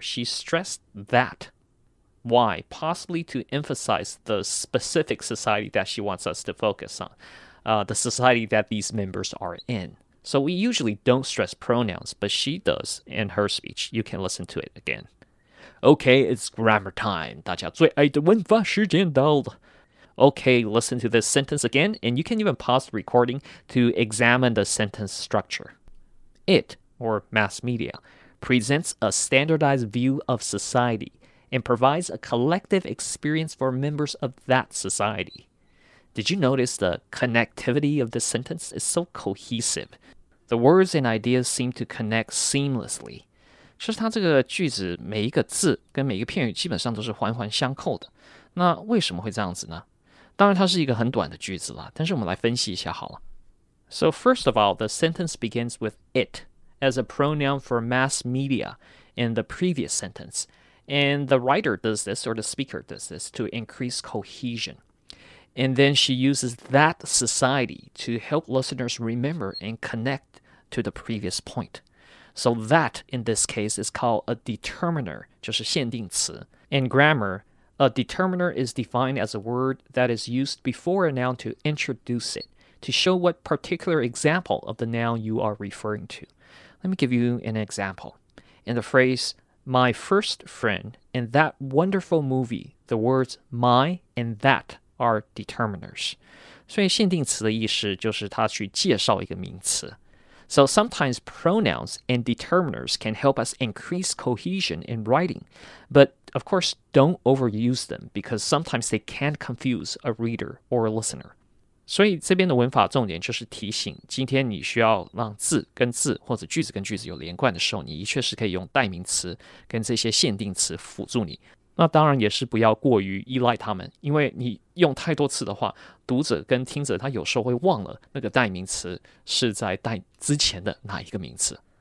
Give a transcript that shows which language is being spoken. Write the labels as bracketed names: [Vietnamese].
[English] She stressed that. Why? Possibly to emphasize the specific society that she wants us to focus on, the society that these members are in. So we usually don't stress pronouns, but she does in her speech. You can listen to it again. Okay, it's grammar time. [Chinese] 大家最爱的文法时间到了。 [English] Okay, listen to this sentence again, and you can even pause the recording to examine the sentence structure. It, or mass media, presents a standardized view of society. And provides a collective experience for members of that society. Did you notice the connectivity of this sentence is so cohesive? The words and ideas seem to connect seamlessly. [Chinese] 就是它这个句子每一个字跟每一个片语基本上都是环环相扣的。那为什么会这样子呢？当然它是一个很短的句子了，但是我们来分析一下好了。 [English] So first of all, the sentence begins with it as a pronoun for mass media in the previous sentence. And the writer does this, or the speaker does this, to increase cohesion. And then she uses that society to help listeners remember and connect to the previous point. So that, in this case, is called a determiner, [Chinese] 就是限定词. [English] In grammar, a determiner is defined as a word that is used before a noun to introduce it, to show what particular example of the noun you are referring to. Let me give you an example. In the phrase... My first friend, in that wonderful movie, the words my and that are determiners. [Chinese] 所以限定词的意思就是它去介绍一个名词。 [English] So sometimes pronouns and determiners can help us increase cohesion in writing, but of course don't overuse them because sometimes they can confuse a reader or a listener. [Chinese] 所以这边的文法重点就是提醒，今天你需要让字跟字或者句子跟句子有连贯的时候，你的确是可以用代名词跟这些限定词辅助你。那当然也是不要过于依赖他们，因为你用太多次的话，读者跟听者他有时候会忘了那个代名词是在代之前的哪一个名词。